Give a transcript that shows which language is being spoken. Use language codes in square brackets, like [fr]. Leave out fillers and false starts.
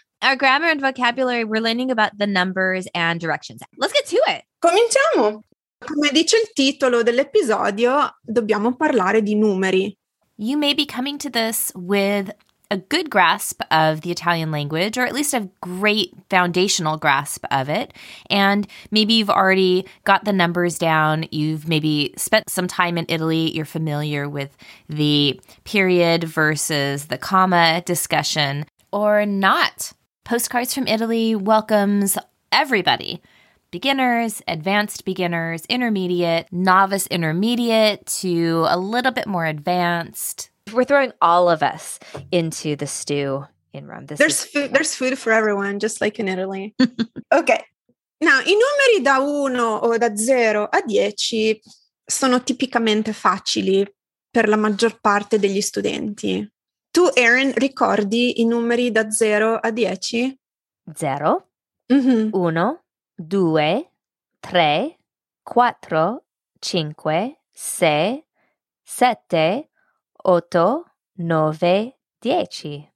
[en] Our grammar and vocabulary, we're learning about the numbers and directions. Let's get to it! [it] Cominciamo! Come dice il titolo dell'episodio, dobbiamo parlare di numeri. [en] You may be coming to this with a good grasp of the Italian language, or at least a great foundational grasp of it. And maybe you've already got the numbers down. You've maybe spent some time in Italy. You're familiar with the period versus the comma discussion, or not. Postcards from Italy welcomes everybody. Beginners, advanced beginners, intermediate, novice intermediate to a little bit more advanced. We're throwing all of us into the stew in Rome. There's food for everyone, just like in Italy. Okay. [it] Now, i numeri da 1 o da 0 a 10 sono tipicamente facili per la maggior parte degli studenti. Tu, Erin, ricordi i numeri da 0 a 10? 0, 1, 2, 3, 4, 5, 6, 7, 8, 9, 10.